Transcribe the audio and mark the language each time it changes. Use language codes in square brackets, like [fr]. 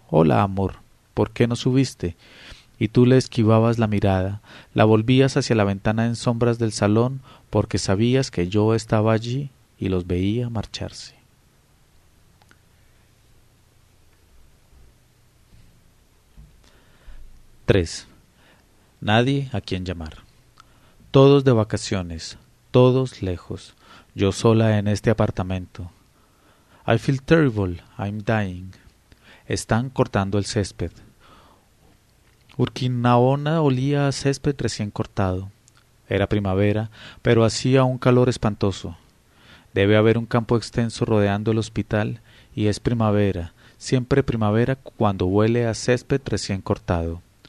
[es] Hola, amor, ¿por qué no subiste? Y tú le esquivabas la mirada, la volvías hacia la ventana en sombras del salón porque sabías que yo estaba allí y los veía marcharse. Tres. Nadie a quien llamar. Todos de vacaciones, todos lejos, yo sola en este apartamento. [en] I feel terrible, I'm dying. [es] Están cortando el césped. Urquinaona olía a césped recién cortado. Era primavera, pero hacía un calor espantoso. Debe haber un campo extenso rodeando el hospital y es primavera, siempre primavera cuando huele a césped recién cortado.